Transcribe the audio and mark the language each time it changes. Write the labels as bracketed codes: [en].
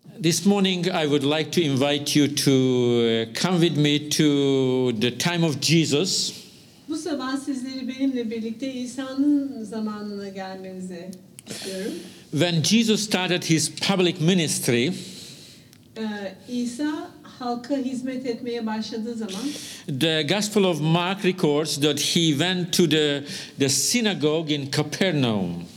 [en] This morning I would like to invite you to come with me to the time of Jesus. [tr] Bu sabah sizleri benimle birlikte İsa'nın zamanına gelmenizi istiyorum. [en] When Jesus started his public ministry, [tr] İsa halka hizmet etmeye başladığı zaman, [en] the Gospel of Mark records that he went to the synagogue in Capernaum.